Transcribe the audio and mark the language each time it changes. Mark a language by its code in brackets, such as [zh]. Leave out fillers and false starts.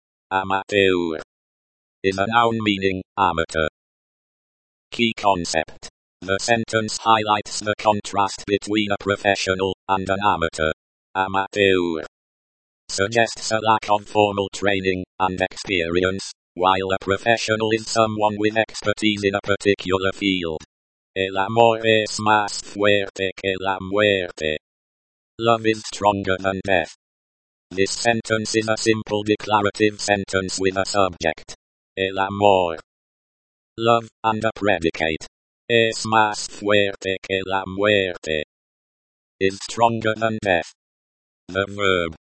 [en] Amateur is a noun meaning, amateur. Key concept. The sentence highlights the contrast between a professional and an amateur. Amateur suggests a lack of formal training and experience, while a professional is someone with expertise in a particular field. [es] El amor es más fuerte que la muerte. [en] Love is stronger than death. This sentence is a simple declarative sentence with a subject. [es] El amor. [en] Love, and a predicate. [es] Es más fuerte que la muerte. [en] Is stronger than death. The verb.